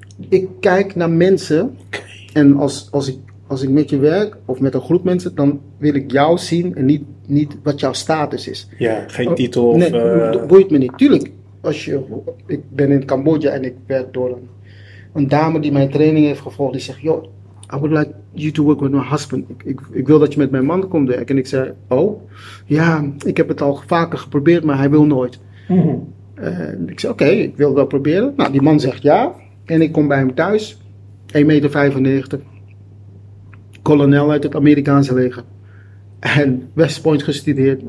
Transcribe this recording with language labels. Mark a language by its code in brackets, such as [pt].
[nl] Ik kijk naar mensen. En als ik met je werk of met een groep mensen, dan wil ik jou zien en niet wat jouw status is. Ja, geen titel of. Nee, boeit me niet. Tuurlijk, ik ben in Cambodja en ik werk door een dame die mijn training heeft gevolgd. Die zegt: Joh, [en] I would like you to work with my husband. [nl] Ik wil dat je met mijn man komt werken. En ik zei: Oh, ja, ik heb het al vaker geprobeerd, maar hij wil nooit. Ik zei: Oké, ik wil wel proberen. Nou, die man zegt ja. En ik kom bij hem thuis, 1,95 meter. Kolonel uit het Amerikaanse leger en West Point gestudeerd.